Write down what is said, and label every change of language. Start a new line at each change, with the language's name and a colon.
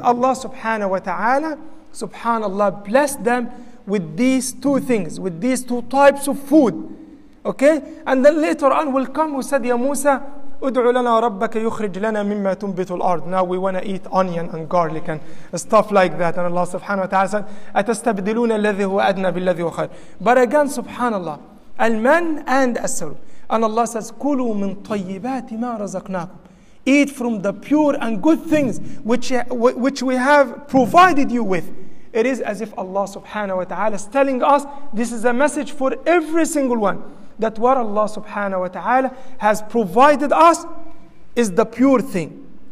English: Allah subhanahu wa ta'ala, subhanallah, blessed them with these two things, with these two types of food. Okay? And then later on will come, who said, Ya Musa,
Arabic: ادعوا لنا ربك يخرج لنا مما تنبت الأرض.
English: Now we want to eat onion and garlic and stuff like that. And Allah subhanahu wa ta'ala said,
Arabic: أتستبدلون الذي هو أدنى بالذي هو خير.
English: But again, subhanallah, al-man and as-salwa. And Allah says,
Arabic: كلوا من طيبات ما رزقناكم.
English: Eat from the pure and good things which we have provided you with. It is as if Allah subhanahu wa ta'ala is telling us, this is a message for every single one, that what Allah subhanahu wa ta'ala has provided us is the pure thing.